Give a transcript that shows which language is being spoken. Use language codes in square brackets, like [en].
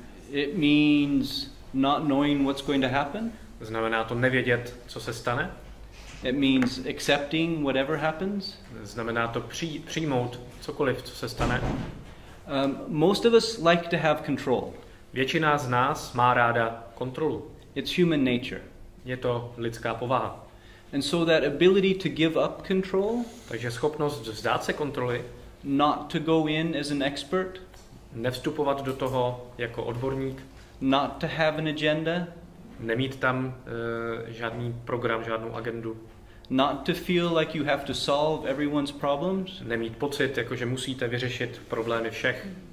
[en] It means not knowing what's going to happen. [cs] Znamená to nevědět, co se stane. [en] It means accepting whatever happens. [cs] Znamená to přijmout cokoliv, co se stane. [en] Most of us like to have control. [cs] Většina z nás má ráda kontrolu. [en] It's human nature. [cs] Je to lidská povaha. [en] And so that ability to give up control, [cs] takže schopnost vzdát se kontroly, [en] not to go in as an expert, [cs] nevstupovat do toho jako odborník, [en] not to have an agenda, [cs] nemít tam žádný program, žádnou agendu, [en] not to feel like you have to solve everyone's problems, [cs] nemít pocit, jako že musíte vyřešit problémy všech.